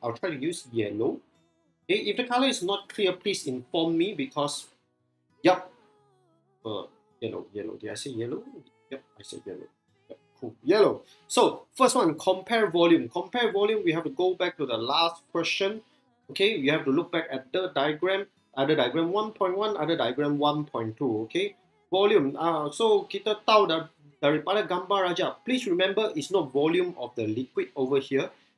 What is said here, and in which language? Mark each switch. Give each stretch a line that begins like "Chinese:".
English: I'll try to use yellow. Okay, if the color is not clear, please inform me because, yep, yellow. Did I say yellow? Yep, I said yellow. Yep, cool, yellow. So, first one, compare volume. Compare volume, we have to go back to the last question. Okay, you have to look back at the diagram, other diagram 1.1, other diagram 1.2, okay?
Malay: Volume, so kita tahu daripada gambar aja.
English: Please remember, it's not volume of the liquid over here.